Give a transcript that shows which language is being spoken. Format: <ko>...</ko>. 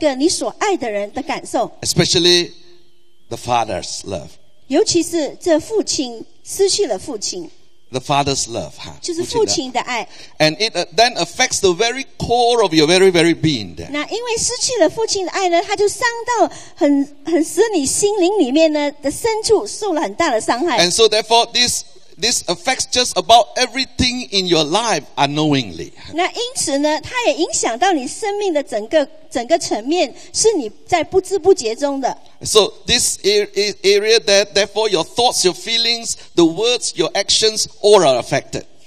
<zh>那这个孤儿的心就是那种感受呢,是失去了一个你所爱的人的感受。</zh> <en>Especially the father's love.</en> <zh>尤其是这父亲失去了父亲,</zh> <en>the father's love.</en> <zh>就是父亲的爱。</zh> <en>And it then affects the very core of your very, very being.</en> <zh>那因为失去了父亲的爱呢, 它就伤到很使你心灵里面呢的深处受了很大的伤害。</zh> <en>And so therefore, this affects just about everything in your life unknowingly.</en> <zh>那因此呢, 它也影响到你生命的整个层面, 是你在不知不觉中的。</zh> <en>So this area that therefore your thoughts, your feelings, the words, your actions all are affected.</en>